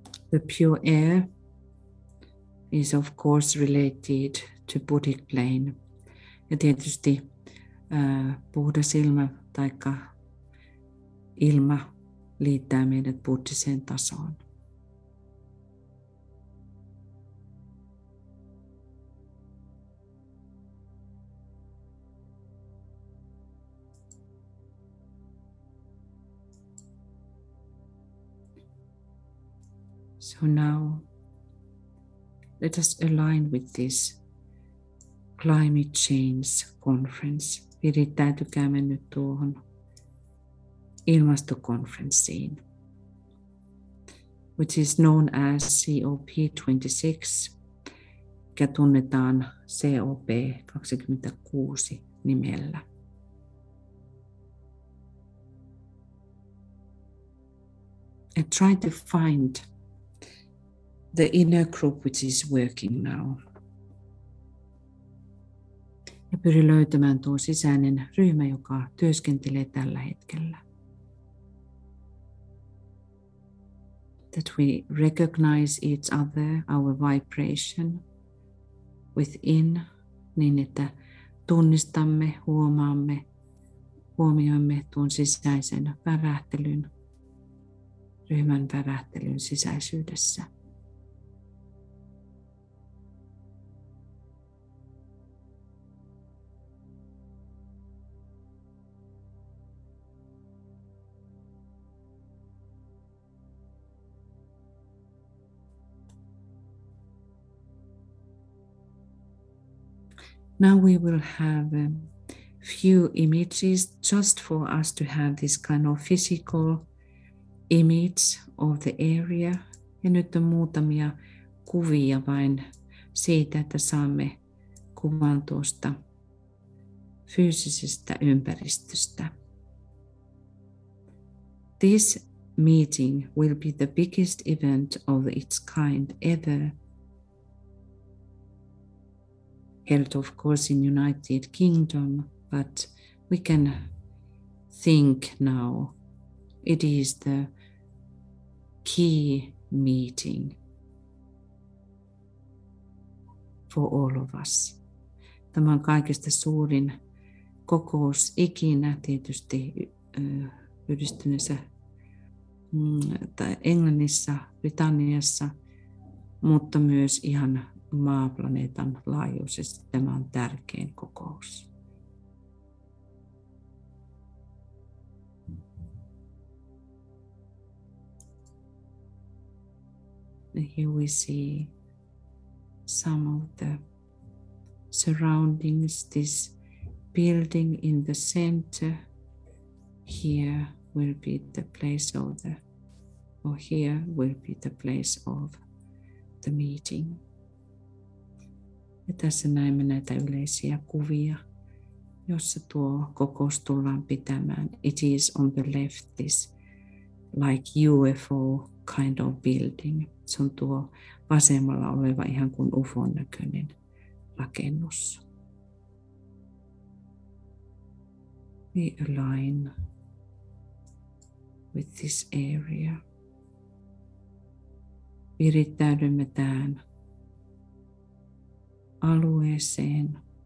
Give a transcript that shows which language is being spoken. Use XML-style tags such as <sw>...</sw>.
<en>The pure air is of course related to Buddhic plane.</en> <fi>Ja tietysti puhdas ilma tai ilma liittää meidät buddhiseen tasoon.</fi> <en>So now, let us align with this climate change conference.</en> <fi>Virittäytykäämme nyt tuohon ilmastokonferenssiin,</fi> <en>which is known as COP26,</en> <fi>mikä tunnetaan COP26 nimellä.</fi> <en>And try to find the inner group which is working now.</en> <fi>Ja pyri löytämään tuo sisäinen ryhmä, joka työskentelee tällä hetkellä.</fi> <en>That we recognize each other, our vibration within,</en> <fi>niin että tunnistamme, huomioimme tuon sisäisen värähtelyn, ryhmän värähtelyn sisäisyydessä.</fi> <en>Now we will have a few images just for us to have this kind of physical image of the area.</en> <fi>Ja nyt on muutamia kuvia vain siitä, että saamme kuvan tuosta fyysisestä ympäristöstä.</fi> <en>This meeting will be the biggest event of its kind ever. Held of course in United Kingdom, but we can think now it is the key meeting for all of us.</en> <fi>Tämä on kaikista suurin kokous ikinä tietysti yhdistyneessä tai Englannissa, Britanniassa, mutta myös ihan maaplaneetan laajuisesti tämä on tärkein kokous.</fi> <en>here we see some of the surroundings, this building in the center. Here will be the place of the, or here will be the place of the meeting.</en> <fi>Ja tässä näemme näitä yleisiä kuvia, jossa tuo kokous tullaan pitämään.</fi> <en>It is on the left, this like UFO kind of building.</en> <fi>Se on tuo vasemmalla oleva ihan kuin UFO:n näköinen rakennus.</fi> <en>We align with this area.</en> <fi>Virittäydymme tähän alueeseen.</fi>